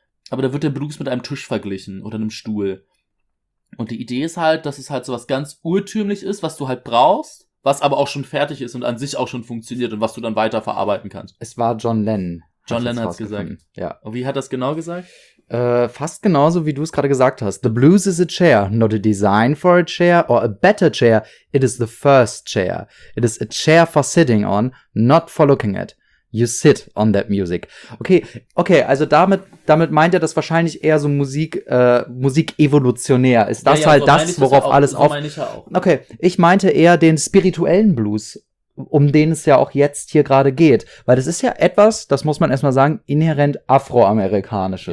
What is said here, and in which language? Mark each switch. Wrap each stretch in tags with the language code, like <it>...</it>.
<de>Aber da wird der Blues mit einem Tisch verglichen oder einem Stuhl. Und die Idee ist halt, dass es halt so was ganz urtümlich ist, was du halt brauchst, was aber auch schon fertig ist und an sich auch schon funktioniert und was du dann weiterverarbeiten kannst. Es war John Lennon. John Lennon hat es gesagt. Ja. Und wie hat das genau gesagt? Fast genauso, wie du es gerade gesagt hast.</de> <en>The blues is a chair, not a design for a chair or a better chair. It is the first chair. It is a chair for sitting on, not for looking at. You sit on that music.</en> <de>Okay, also damit meint er das wahrscheinlich eher so Musik-evolutionär. Ist das worauf alles auf... Ja, meine ich ja auch. Okay, ich meinte eher den spirituellen Blues, um den es ja auch jetzt hier gerade geht. Weil das ist ja etwas, das muss man erstmal sagen, inhärent Afroamerikanisches.</de>